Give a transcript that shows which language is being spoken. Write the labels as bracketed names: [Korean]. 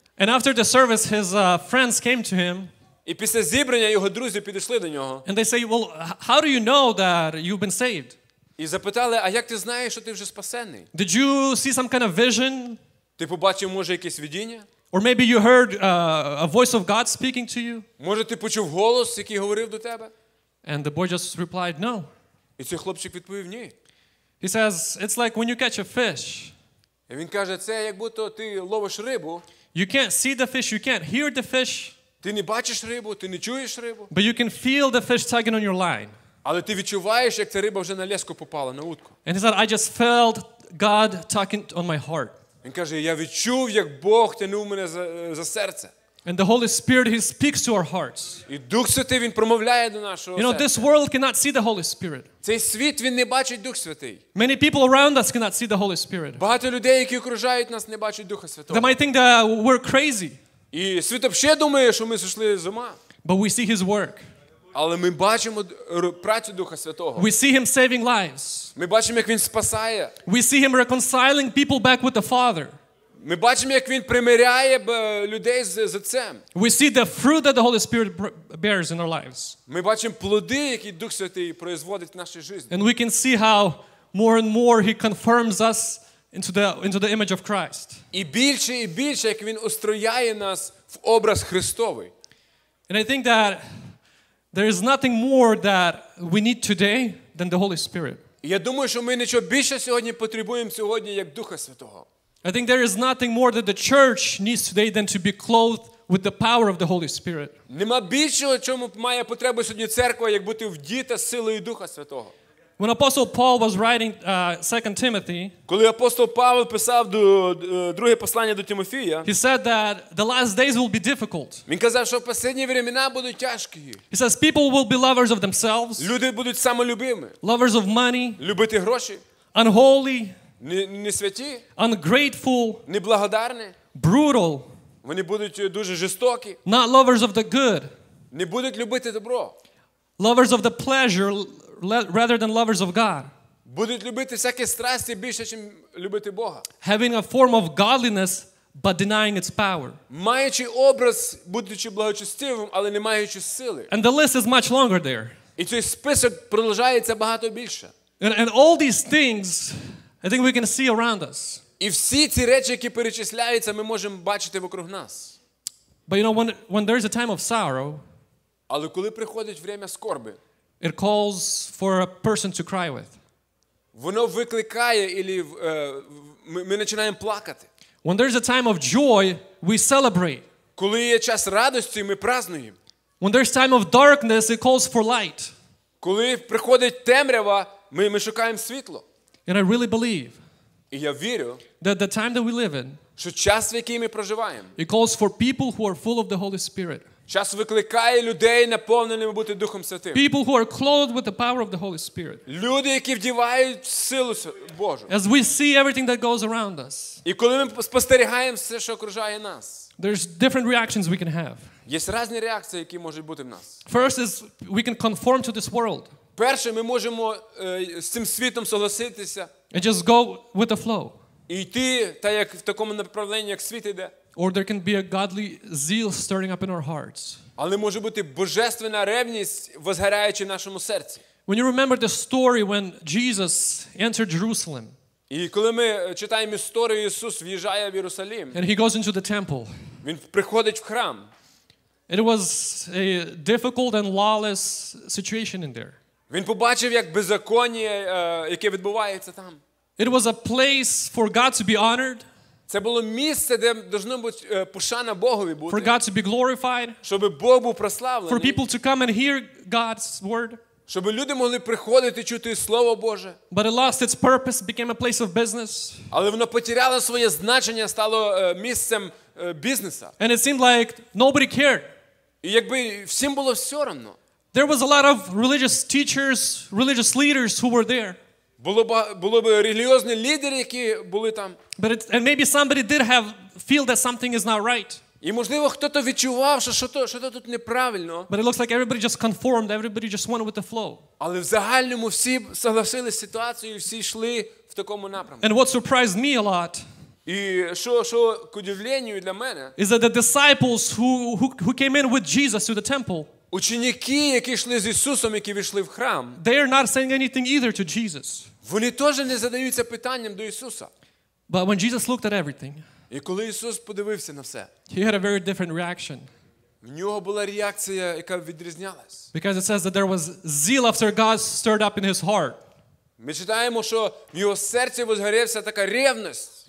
[English] And after the service his friends came to him. [Ukrainian] І після зібрання його друзі підійшли до нього. [English] And they say, "Well, how do you know that you've been saved?" [Ukrainian] І запитали: "А як ти знаєш, що ти вже спасений?" [English] Did you see some kind of vision? [Ukrainian] Ти побачив, може, якесь видіння? [English] Or maybe you heard a voice of God speaking to you? [Ukrainian] Може, ти почув голос, який говорив до тебе? [English] And the boy just replied, "No." [Ukrainian] І цей хлопчик відповів: "Ні." [English] He says, "It's like when you catch a fish." [Ukrainian] І він каже: "Це як будто ти ловиш рибу." [English] You can't see the fish, you can't hear the fish. [Ukrainian] Ти не бачиш рибу, ти не чуєш рибу. [English] But you can feel the fish tugging on your line. [Ukrainian] Але ти відчуваєш, як ця риба вже на леску попала, на утку. [English] And he said, "I just felt God tugging on my heart." [Ukrainian] Він каже: "Я відчув, як Бог тягнув мене за серце." [English] And the Holy Spirit he speaks to our hearts. [Ukrainian] І Дух Святий він промовляє до нашого серця. [English] You know, this world cannot see the Holy Spirit. [Ukrainian] Цей світ він не бачить Дух Святий. [English] Many people around us cannot see the Holy Spirit. [Ukrainian] Багато людей, які окружають нас, не бачать Духа Святого. [English] They might think that we're crazy. [Ukrainian] І світ вообще думає, що ми зійшли з ума. [English] But we see his work. [Ukrainian] Але ми бачимо працю Духа Святого. [English] We see him saving lives. [Ukrainian] Ми бачимо, як він спасає. [English] We see him reconciling people back with the Father. [Ukrainian] Ми бачимо, як він примиряє людей з Отцем. [English] We see the fruit that the Holy Spirit bears in our lives. [Ukrainian] Ми бачимо плоди, які Дух Святий производить в нашій житті. [English] And we can see how more and more he confirms us into the image of Christ. [Ukrainian] І більше, як він устрояє нас в образ Христовий. [English] And I think that there is nothing more that we need today than the Holy Spirit. [Ukrainian] Я думаю, що ми нічого більше сьогодні потребуємо сьогодні, як Духа Святого. [English] I think there is nothing more that the church needs today than to be clothed with the power of the Holy Spirit. [Ukrainian] Нема більшого, чому має потребу сьогодні церква, як бути вдіта силою Духа Святого. [English] When Apostle Paul was writing 2 Timothy, [Ukrainian] коли апостол Павло писав до друге послання до Тимофія, [English] he said that the last days will be difficult. [Ukrainian] Він казав, що останні времена будуть тяжкі. [English] He says people will be lovers of themselves. [Ukrainian] Люди будуть самолюбими. [English] Lovers of money. [Ukrainian] Любити гроші. [English] Unholy. [Ukrainian] Не святі. [English] Ungrateful. [Ukrainian] Неблагодарні. [English] Brutal. [Ukrainian] Вони будуть дуже жорстокі. [English] Not lovers of the good. [Ukrainian] Не будуть любити добро. [English] Lovers of the pleasure rather than lovers of God. [Ukrainian] Будуть любити всякі страсті більше, чим любити Бога. [English] Having a form of godliness but denying its power. [Ukrainian] Маючи образ, будучи благочестивим, але не маючи сили. [English] And the list is much longer there. [Ukrainian] І цей список продовжується багато більше. [English] And all these things I think we can see around us. [Ukrainian] І всі ці речі, які перечисляються, ми можемо бачити вокруг нас. [English] But you know when there's a time of sorrow, [Ukrainian] але коли приходить время скорби, [English] it calls for a person to cry with. [Ukrainian] Воно викликає або ми починаємо плакати. [English] When there's a time of joy, we celebrate. [Ukrainian] Коли є час радості, ми празнуємо. [English] When there's time of darkness, it calls for light. [Ukrainian] Коли приходить темрява, ми шукаємо світло. [English] And I really believe. [Ukrainian] І я вірю. [English] That the time that we live in. [Ukrainian] Що час, в який ми проживаємо. [English] It calls for people who are full of the Holy Spirit. [Ukrainian] Час викликає людей, наповненими бути Духом Святим. [English] People who are clothed with the power of the Holy Spirit. [Ukrainian] Люди, які вдівають силу Божу. [English] As we see everything that goes around us. [Ukrainian] І коли ми спостерігаємо все, що окружає нас. [English] There's different reactions we can have. [Ukrainian] Є різні реакції, які можуть бути в нас. [English] First is we can conform to this world. [Ukrainian] Перше, ми можемо з цим світом согласитися. [English] And just go with the flow. [Ukrainian] І йти так, як в такому направленні, як світ іде. [English] Or there can be a godly zeal stirring up in our hearts. [Ukrainian] Але може бути божественна ревність, возгораючи в нашому серці. [English] When you remember the story when Jesus entered Jerusalem. [Ukrainian] І коли ми читаємо історію, Ісус в'їжджає в Єрусалим. [English] And he goes into the temple. [Ukrainian] Він приходить в храм. [English] It was a difficult and lawless situation in there. [Ukrainian] Він побачив, як беззаконня, яке відбувається там. [English] It was a place for God to be honored. [Ukrainian] Це було місце, де повинно бути пошана Богові бути. [English] For God to be glorified. [Ukrainian] Щоб Бог був прославлений. [English] For people to come and hear God's word. [Ukrainian] Щоб люди могли приходити чути слово Боже. [English] But it lost its purpose, became a place of business. [Ukrainian] Але воно потеряло своє значення, стало місцем бізнесу. [English] And it seemed like nobody cared. [Ukrainian] І якби всім було все одно. [English] There was a lot of religious teachers, religious leaders who were there. [Ukrainian] Було б релігіозні лідери, які були там. [English] But it, and maybe somebody did have feel that something is not right. [Ukrainian] І можливо, хтось відчував, що то тут неправильно. [English] But it looks like everybody just conformed, everybody just went with the flow. [Ukrainian] Але в загальному всі згодилися з ситуацією, всі йшли в такому напрямку. [English] And what surprised me a lot. [Ukrainian] І що к удивленню для мене? [English] Is that the disciples who came in with Jesus to the temple. [Ukrainian] Ученики, які йшли з Ісусом, які війшли в храм. [English] They are not saying anything either to Jesus. [Ukrainian] Вони теж не задаються питанням до Ісуса. [English] But when Jesus looked at everything. [Ukrainian] І коли Ісус подивився на все. [English] He had a very different reaction. [Ukrainian] В нього була реакція, яка відрізнялась. [English] Because it says that there was zeal after God stirred up in his heart. [Ukrainian] Ми читаємо, що в його серці возгорівся така ревність.